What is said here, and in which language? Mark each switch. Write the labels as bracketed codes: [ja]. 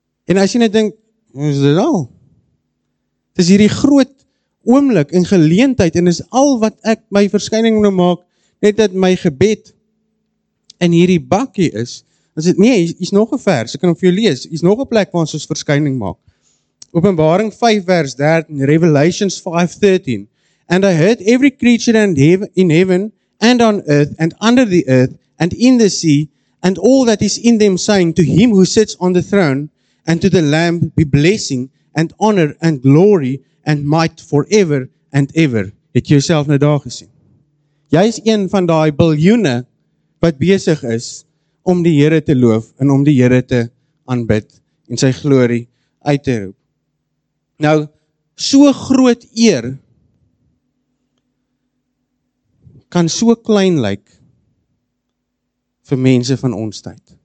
[af] En as jy nou dink, is dit al? Het is hierdie groot oomblik en geleentheid, en is al wat ek my verskyning nou maak, net dat my gebed in hierdie bakkie is, as dit nie, is nog 'n vers, ek kan vir jou lees, is nog 'n plek waar ons ons verskyning maak. Openbaring 5 vers 13, [en] Revelations 5 13, and I heard every creature in heaven and on earth and under the earth and in the sea and all that is in them saying, to him who sits on the throne and to the Lamb be blessing and honor and glory and might forever and ever. [af] Het jy jouself nou daar gesien? Jy is een van die biljoene wat besig is om die Here te loof en om die Here te aanbid en sy glorie uit te roep. Nou, so groot eer kan so klein lyk vir mense van ons tyd.